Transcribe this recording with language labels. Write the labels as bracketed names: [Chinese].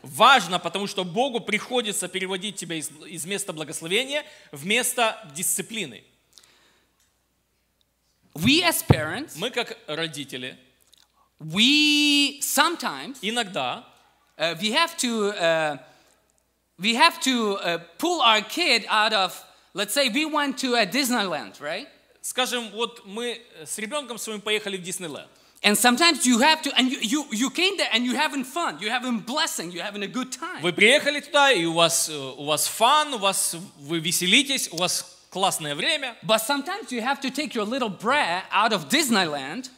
[Russian] Важно, потому что Богу приходится переводить тебя из места благословения в место дисциплины. [English] We as parents, [Russian] мы как родители, [English] we sometimes, [Russian] иногда, [English] we have to pull our kid out of, let's say, we went to a Disneyland, right? [Russian] Скажем, вот мы с ребенком своим поехали в Диснейленд. [English] And sometimes you have to, and you came there and you're having fun, you're having blessing, you're having a good time. [Russian] Вы приехали туда, и у вас фан, вы веселитесь, у вас классное время. [English] But sometimes you have to take your little brat out of Disneyland.